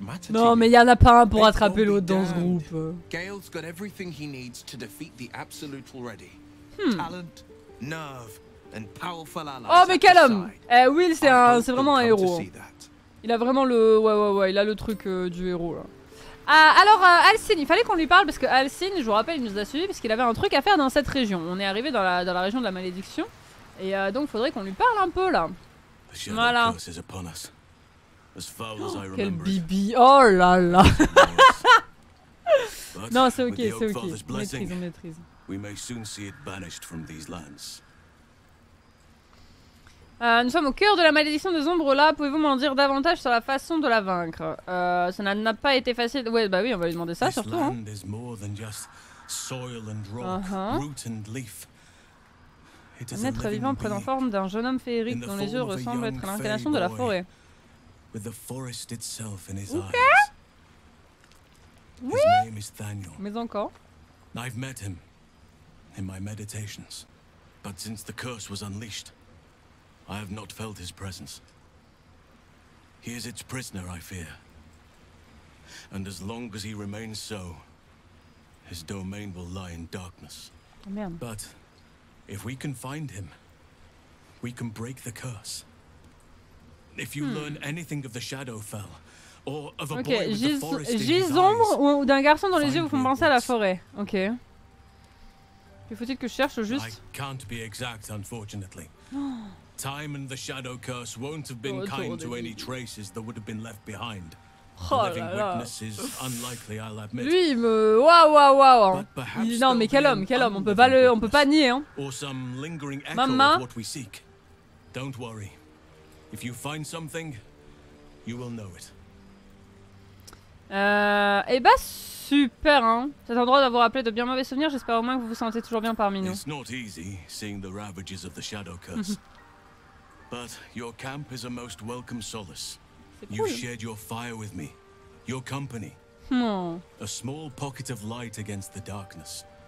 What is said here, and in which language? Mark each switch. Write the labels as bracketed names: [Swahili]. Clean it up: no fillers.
[French] Non, mais il y en a pas un pour attraper l'autre dans ce groupe. [English] Gale's got everything he needs to defeat the absolute already. Talent, nerve and powerful allies. [French] Oh, mais quel homme. Eh, Will, c'est vraiment un héros. Il a vraiment le ouais, il a le truc du héros là. Alors, Alcine, il fallait qu'on lui parle parce que Alcine, je vous rappelle, il nous a suivi parce qu'il avait un truc à faire dans cette région. On est arrivé dans la région de la malédiction. Et donc, il faudrait qu'on lui parle un peu là. Voilà. Oh, quel bibi. Oh là là. Non, c'est ok. Maîtrise. Nous sommes au cœur de la malédiction des ombres là. Pouvez-vous m'en dire davantage sur la façon de la vaincre? Ça n'a pas été facile. Ouais, bah oui, on va lui demander ça surtout. Hein. [English] This land is more than just soil and rock, root and leaf. [French] Un être vivant prend en forme d'un jeune homme féerique dont les yeux ressemblent à être l'incarnation de la forêt. [English] With the forest itself in his eyes. Oui. His name is Thaniel. [French] Mais encore. [English] I've met him in my meditations, but since the curse was unleashed, I have not felt his presence. He is its prisoner, I fear. And as long as he remains so, his domain will lie in darkness. Amen. But if we can find him, we can break the curse. If you learn anything of the Shadowfell, or of a boy with the forest in his eyes, [French] ou d'un garçon dont les yeux vous font penser à la forêt. Ok. Il faut-il que je cherche au juste? [English] I can't be exact, unfortunately. Time and the Shadow Curse won't have been kind to any traces that would have been left behind. Living witnesses, unlikely, I'll admit. [French] Lui, waouh. Non, mais quel homme. On peut pas nier, hein. [English] Or some lingering echo of what we seek. Don't worry. If you find something, you will know it. [French] Eh bah super, hein. Cet endroit doit vous rappeler de bien mauvais souvenirs. J'espère au moins que vous vous sentez toujours bien parmi nous. [English] It's not easy seeing the ravages of the Shadow Curse. But your camp is a most welcome solace. [French] C'est cool. [English] You shared your fire with me, your company. A small pocket of light against the darkness.